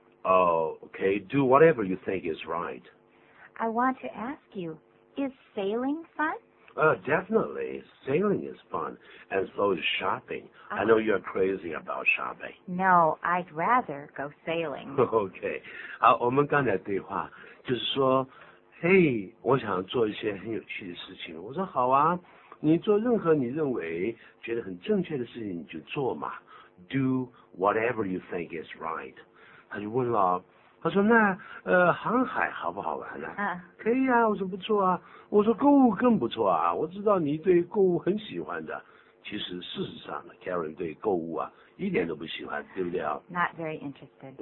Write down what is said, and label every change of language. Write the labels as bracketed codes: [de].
[en] Oh, okay, do whatever you think is right. I want to ask you, is sailing fun? Definitely. Sailing is fun, and so is shopping.、I know you're crazy about shopping. No, I'd rather go sailing. Okay. [zh] 好，我们刚才对话就是说，嘿，我想做一些很有趣的事情。我说好啊，你做任何你认为觉得很正确的事情你就做嘛。 [en] Do whatever you think is right. [zh] 他就问了，他说那航海好不好玩呢、可以啊，我说不错啊，我说购物更不错啊，我知道你对购物很喜欢的。其实事实上 Karen 对购物啊一点都不喜欢，对不对啊？ [en] Not very interested.